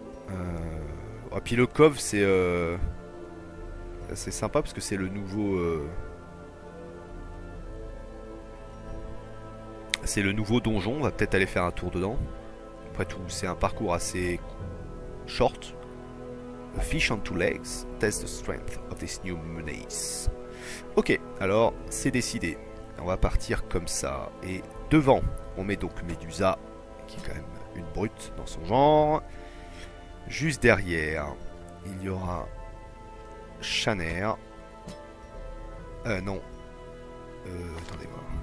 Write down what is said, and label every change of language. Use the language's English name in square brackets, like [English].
[French] Et puis le Cove, c'est sympa parce que c'est le nouveau. C'est le nouveau donjon, on va peut-être aller faire un tour dedans. Après tout, c'est un parcours assez short. [English] A fish on two legs, test the strength of this new menace. [French] Ok, alors c'est décidé. On va partir comme ça. Et devant, on met donc Médusa, qui est quand même une brute dans son genre. Juste derrière, il y aura Shanner. Non. Attendez-moi.